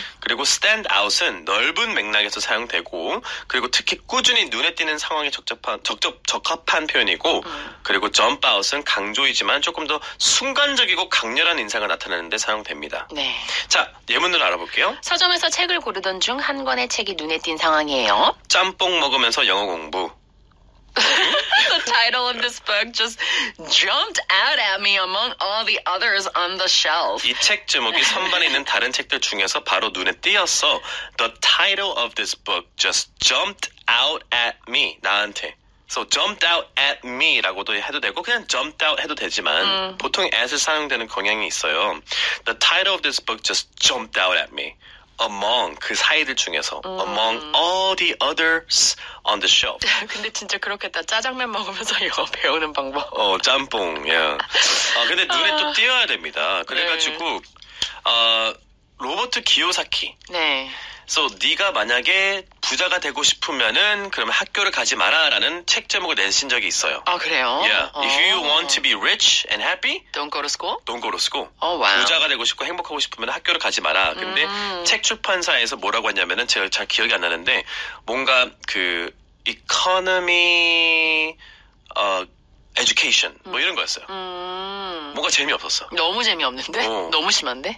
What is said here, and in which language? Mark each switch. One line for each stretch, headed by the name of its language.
Korean: 그리고 stand out은 넓은 맥락에서 사용되고 그리고 특히 꾸준히 눈에 띄는 상황에 적합한 표현이고 그리고 jump out은 강조이지만 조금 더 순간적이고 강렬한 인상을 나타내는 데 사용됩니다. 네. 자, 예문을 알아볼게요. 서점에서 책을 고르던 중 한 권의 책이 눈에 띈 상황이에요. 짬뽕 먹으면서 영어 공부. 너
English: title of this book just jumped out at me among all the others on the shelf.
Korean: 이 책 제목이 선반에 있는 다른 책들 중에서 바로 눈에 띄었어.
English: The title of this book just jumped out at me.
Korean: 나한테. So jumped out at me라고도 해도 되고 그냥 jumped out 해도 되지만 보통 as을 사용되는 경향이 있어요.
English: The title of this book just jumped out at me. Among
Korean: 그 사이들 중에서
English: among all the others on the shelf.
Korean: 근데 진짜 그렇겠다. 짜장면 먹으면서 이거 배우는 방법. 어 짬뽕. 예. Yeah. 아 근데 눈에 또 띄어야 됩니다. 그래가지고 네. 로버트 기요사키. 네. So 네가 만약에 부자가 되고 싶으면은 그러면 학교를 가지 마라라는 책 제목을 내신 적이 있어요. 아 그래요?
English: Yeah. If you want to be rich and happy, don't go to school. Don't go to school. Oh, wow.
Korean: 부자가 되고 싶고 행복하고 싶으면 학교를 가지 마라. 근데 책 출판사에서 뭐라고 했냐면은 제가 잘 기억이 안 나는데 뭔가 그 economy, education 뭐 이런 거였어요. 뭔가 재미없었어. 너무 재미없는데? 어. 너무 심한데?